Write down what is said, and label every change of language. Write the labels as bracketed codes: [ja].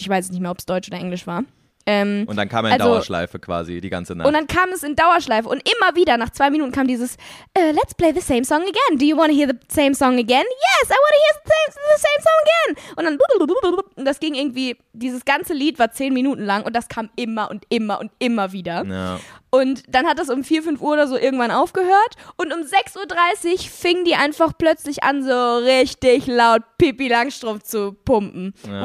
[de] Ich weiß nicht mehr, ob es Deutsch oder Englisch war. Und dann kam er in also, Dauerschleife quasi die ganze Nacht. Und dann kam es in Dauerschleife und immer wieder nach 2 Minuten kam dieses [en] Let's play the same song again. Do you want to hear the same song again? Yes, I want to hear the same song again. [de] Und dann das ging irgendwie, dieses ganze Lied war 10 Minuten lang und das kam immer und immer und immer wieder. Ja. Und dann hat das um 4-5 Uhr oder so irgendwann aufgehört und um 6.30 Uhr fing die einfach plötzlich an, so richtig laut Pippi Langstrumpf zu pumpen. Ja.